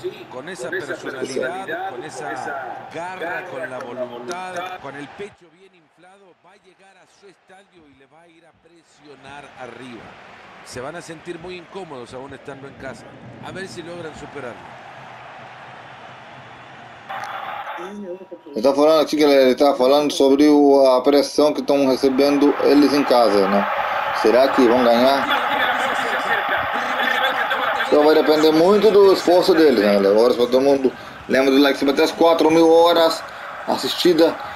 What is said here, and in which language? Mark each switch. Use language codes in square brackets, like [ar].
[pt] Com essa personalidade, com essa garra, com a vontade, com o pecho bem inflado, vai chegar a seu estádio e le vai ir a pressionar arriba. [es] Se van a sentir muy incómodos aún estando en casa. A ver si logran superarlo. [pt] Está falando aqui, galera, está falando sobre a pressão que estão recebendo eles em casa, né? Será que vão ganhar? Então vai depender muito do esforço deles, né, galera? Horas para todo mundo. Lembra do like, se bater as 4 mil horas assistida.